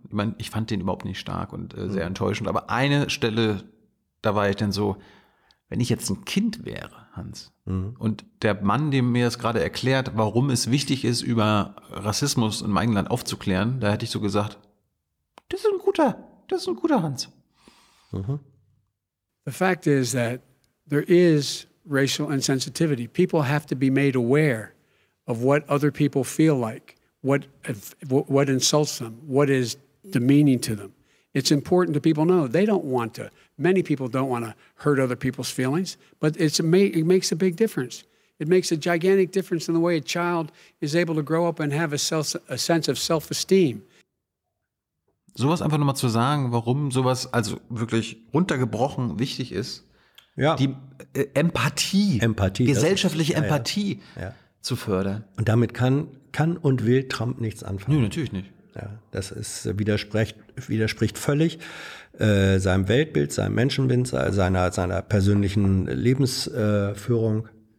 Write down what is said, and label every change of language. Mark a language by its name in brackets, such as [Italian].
[German] Ich meine, ich fand den überhaupt nicht stark und sehr enttäuschend. Aber eine Stelle, da war ich dann so, wenn ich jetzt ein Kind wäre, Hans. Mhm. Und der Mann, dem mir das gerade erklärt, warum es wichtig ist, über Rassismus in meinem Land aufzuklären, da hätte ich so gesagt, das ist ein guter Hans. Mhm. [English] The fact is that there is racial insensitivity. People have to be made aware of what other people feel like, what insults them, what is demeaning to them. It's important that people know. They don't want to. Many people don't want to hurt other people's feelings, but it makes a big difference. It makes a gigantic difference in the way a child is able to grow up and have a sense of self-esteem. [German] Sowas einfach nochmal zu sagen, warum sowas also wirklich runtergebrochen wichtig ist. Ja. Die Empathie, gesellschaftliche ist, Empathie zu fördern. Und damit kann und will Trump nichts anfangen. Nö, natürlich nicht. Ja, das ist widerspricht völlig seinem Weltbild, seinem Menschenbild, seiner persönlichen Lebensführung.